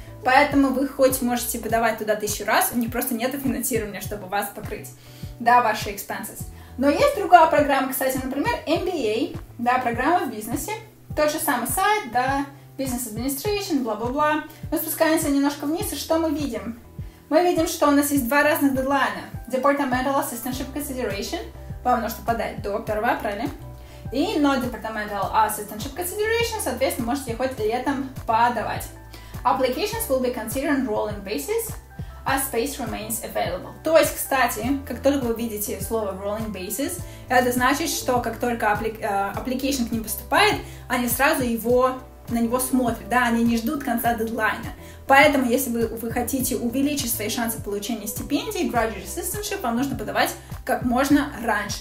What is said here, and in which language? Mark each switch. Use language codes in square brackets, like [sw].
[ru] Поэтому вы хоть можете подавать туда 1000 раз, у них просто нет финансирования, чтобы вас покрыть, да, ваши expenses. Но есть другая программа, кстати, например, MBA, да, программа в бизнесе. Тот же самый сайт, да, Business Administration, бла-бла-бла. Мы спускаемся немножко вниз, и что мы видим? Мы видим, что у нас есть 2 разных дедлайна. [en] Departmental Assistantship Consideration. [ru] Вам нужно подать до 1 апреля. [en] И Not Departmental Assistantship Consideration. [ru] Соответственно, можете хоть летом подавать. [en] Applications will be considered on rolling basis as space remains available. [ru] То есть, кстати, как только вы видите слово rolling basis, это значит, что как только application к ним поступает, они сразу его на него смотрят, да, они не ждут конца дедлайна. Поэтому, если вы хотите увеличить свои шансы получения стипендии, graduate assistantship, вам нужно подавать как можно раньше.